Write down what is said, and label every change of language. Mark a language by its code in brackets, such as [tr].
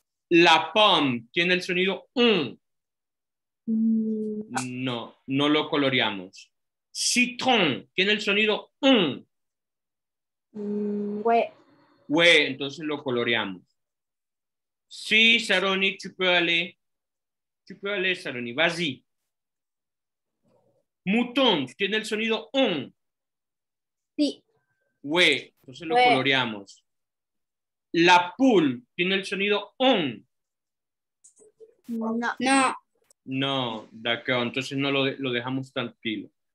[es] La pomme tiene el sonido on. No, no lo coloreamos. Citron tiene el sonido on. Güey, entonces lo coloreamos. Sí, [fr] Saroni, tu peux aller. Tu peux aller, Saroni, vas-y. [es] Mouton, tiene el sonido on. Sí. [fr] Oui, [es] entonces lo coloreamos. La poule, tiene el sonido on. No. No, [fr] d'accord, [es] entonces no lo, lo dejamos tranquilo.